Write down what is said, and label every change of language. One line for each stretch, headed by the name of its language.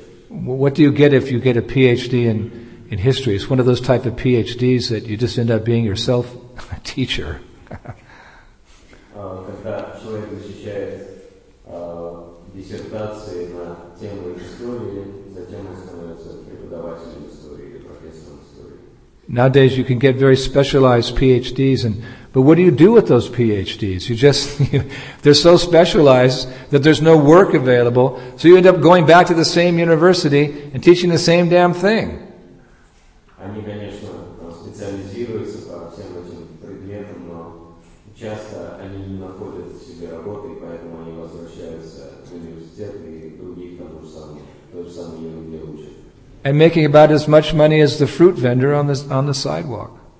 English: What do you get if you get a PhD in in history. It's one of those type of PhDs that you just end up being yourself a teacher.
Russian: Когда человек защищает диссертации на тему истории, затем он становится преподавателем истории или профессором истории.
English: Nowadays you can get very specialized PhDs, and but what do you do with those PhDs? They're so specialized that there's no work available, so you end up going back to the same university and teaching the same damn thing.
Russian: Они, конечно, специализируются по всем этим предметам, но часто они не находят себе работы, поэтому они возвращаются в университет и других там то же самое не учат.
English: And making about as much money as the fruit vendor on the sidewalk.